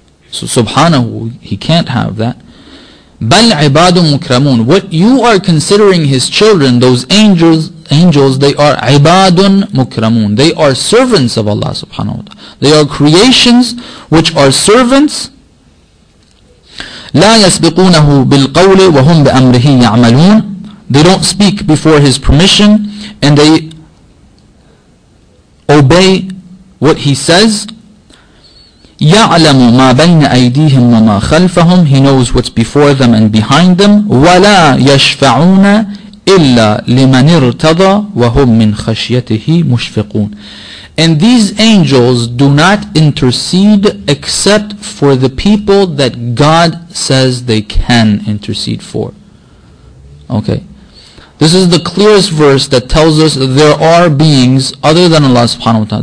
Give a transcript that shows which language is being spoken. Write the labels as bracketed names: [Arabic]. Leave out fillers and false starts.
[English] So subhanahu, he can't have that. [Arabic] Bal ibadun mukramun. [English] What you are considering his children, those angels, they are [Arabic] ibadun mukramun. [English] They are servants of Allah subhanahu wa ta'ala. They are creations which are servants. [Arabic] لا يسبقونه بالقول وهم بأمره يعملون. [English] They don't speak before his permission, and they obey what he says. [Arabic] يعلم ما بين أيديهم وما خلفهم. [English] He knows what's before them and behind them. [Arabic] ولا يشفعون إلا لمن ارتضى وهم من خشيته مشفقون. [English] And these angels do not intercede except for the people that God says they can intercede for. Okay. This is the clearest verse that tells us that there are beings other than Allah subhanahu wa ta'ala.